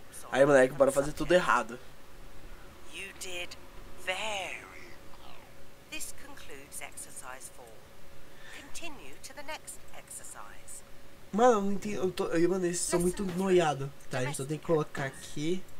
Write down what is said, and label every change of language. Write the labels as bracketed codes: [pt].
[pt] Aí, moleque, bora fazer tudo errado. [en] You did very well. This concludes exercise 4. Continue to the next exercise. [pt] Mano, eu sou muito noiado. Tá, eu só tenho que colocar aqui.